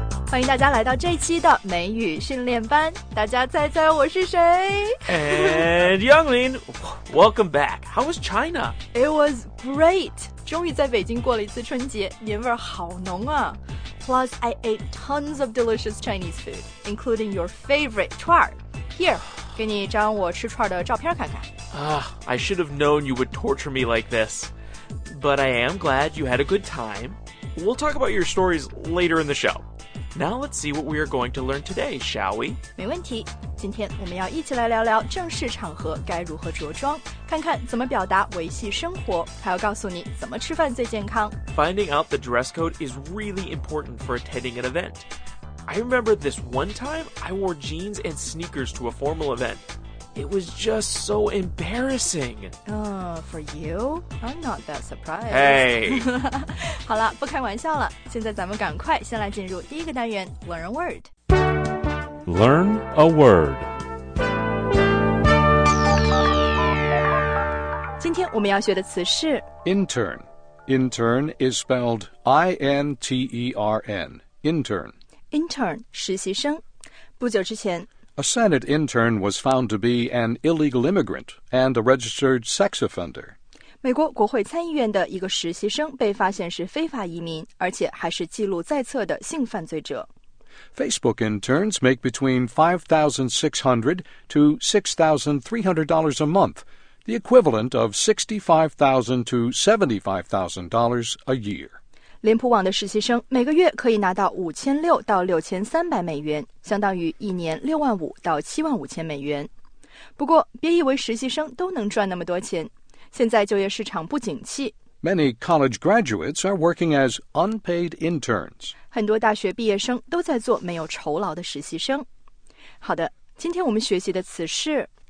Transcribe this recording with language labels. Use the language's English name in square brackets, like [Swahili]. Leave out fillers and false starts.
[Chinese] 欢迎大家来到这一期的美语训练班。大家猜猜我是谁 [English] ？And Younglin, welcome back. How was China? It was great. [Chinese] 终于在北京过了一次春节，年味好浓啊。 [English] Plus, I ate tons of delicious Chinese food, including your favorite 串儿。 [Chinese] Here, 给你一张我吃串儿的照片看看。 [English] I should have known you would torture me like this. But I am glad you had a good time. We'll talk about your stories later in the show. Now let's see what we are going to learn today, shall we? [Chinese] 没问题。今天我们要一起来聊聊正式场合该如何着装，看看怎么表达维系生活，还要告诉你怎么吃饭最健康。 [English] Finding out the dress code is really important for attending an event. I remember this one time I wore jeans and sneakers to a formal event. It was just so embarrassing. For you? I'm not that surprised. Hey! [Chinese] 好了，不开玩笑了。现在咱们赶快先来进入第一个单元 [English] Learn a Word. Learn a Word. [Chinese] 今天我们要学的词是 [English] Intern. Intern is spelled I-N-T-E-R-N. Intern. [Chinese] Intern, 实习生。不久之前 [English] A Senate intern was found to be an illegal immigrant and a registered sex offender. [Chinese] 美国国会参议院的一个实习生被发现是非法移民，而且还是记录在册的性犯罪者。 [English] Facebook interns make between $5,600 to $6,300 a month, the equivalent of $65,000 to $75,000 a year. [Chinese] 脸谱网的实习生每个月可以拿到5600到6300美元，相当于一年65000到75000美元。不过，别以为实习生都能赚那么多钱。现在就业市场不景气。 [English] Many college graduates are working as unpaid interns. [Chinese] 很多大学毕业生都在做没有酬劳的实习生。好的，今天我们学习的词是